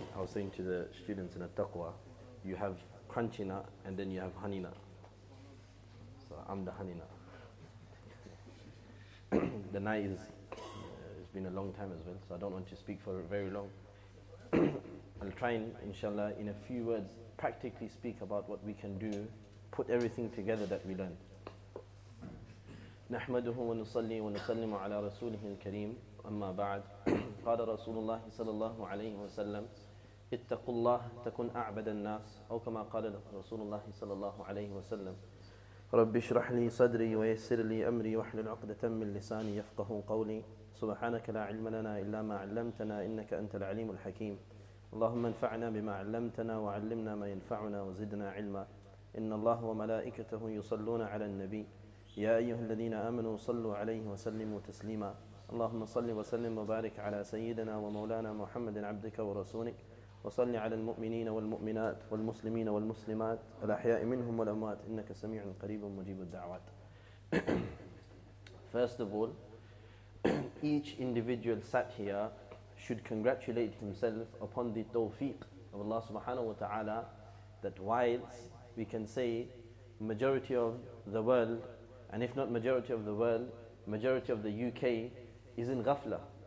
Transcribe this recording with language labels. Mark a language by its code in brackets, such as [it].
[en] I was saying to the students in a taqwa, you have crunchy nut and then you have honey nut. So I'm the honey nut. The night is, it's been a long time as well, so I don't want to speak for very long. I'll try and, inshallah, in a few words, practically speak about what we can do, put everything together that we learned. [ar] نحمده ونصلي ونسلم على رسوله الكريم أما بعد قال رسول الله صلى الله عليه وسلم اتقوا الله تكون أعبد الناس أو كما قال رسول الله صلى الله عليه وسلم رب اشرح لي صدري ويسر لي أمري واحلل عقدة من لساني يفقه قولي سبحانك لا علم لنا إلا ما علمتنا إنك أنت العليم الحكيم اللهم انفعنا بما علمتنا وعلمنا ما ينفعنا وزدنا علما إن الله وملائكته يصلون على النبي يا أيها الذين آمنوا صلوا عليه وسلموا تسليما اللهم صل وسلم وبارك على سيدنا ومولانا محمد عبدك ورسولك وصل على المؤمنين والمؤمنات والمسلمين والمسلمات الأحياء منهم والأموات إنك سميع قريب مجيب الدعوات. [en] First of all, each individual sat here should congratulate himself upon the tawfiq of Allah subhanahu wa ta'ala, that whilst we can say majority of the world, and if not majority of the world, majority of the UK is in ghafla.